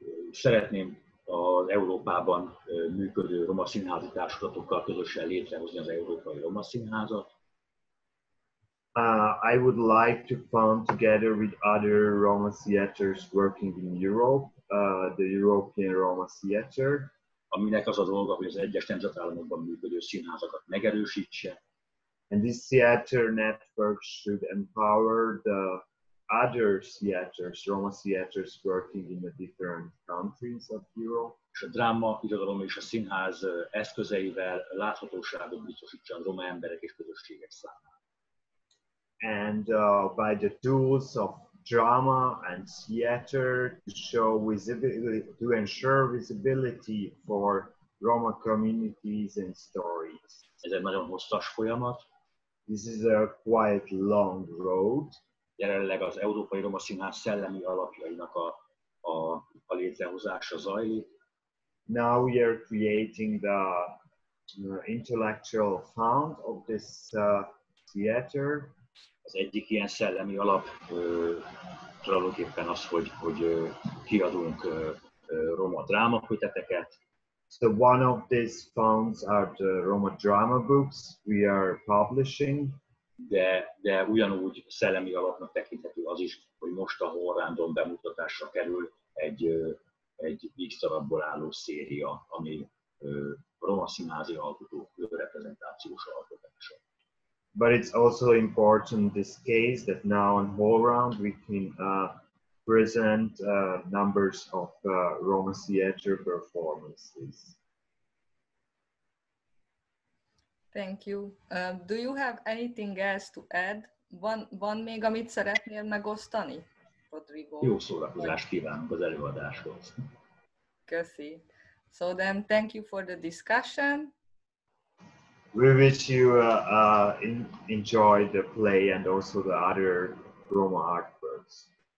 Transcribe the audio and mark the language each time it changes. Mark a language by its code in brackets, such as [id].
[hu] Szeretném az Európában működő roma színházi társulatokkal közösen létrehozni az Európai Roma Színházat. [en] I would like to found together with other Roma theaters working in Europe, the European Roma Theater. [hu] Aminek az a dolga, hogy az egyes nemzetállamokban működő színházakat megerősítse. [en] And this theater network should empower the other theaters, Roma theaters working in the different countries of Europe. [hu] És a dráma, irodalom és a színház eszközeivel láthatóságot biztosítsa a roma emberek és közösségek számára. [en] And by the tools of drama and theater to show visibility, to ensure visibility for Roma communities and stories. [hu] Ez egy nagyon hosszas folyamat. [en] This is a quite long road. [hu] Jelenleg az Európai Roma Színház szellemi alapjainak a létrehozása zajlik. [en] Now we are creating the intellectual fund of this theater. [hu] Az egyik ilyen szellemi alap tulajdonképpen az, hogy kiadunk roma drámakötetet. [en] So one of these funds are the Roma drama books we are publishing. [hu] De ugyanúgy szellemi alapnak tekinthető az is, hogy most a HowlRound-on bemutatásra kerül egy X darabból álló széria, ami roma színházi alkotók reprezentációs alkotása. [en] But it's also important this case that now on HowlRound we can present numbers of Roma theater performances. Thank you. Do you have anything else to add? [hu] Van még, amit szeretnél megosztani, Rodrigo? Jó szórakozást kívánok az előadáshoz. Köszi. [en] So then, thank you for the discussion. We wish you enjoy the play and also the other Roma artworks.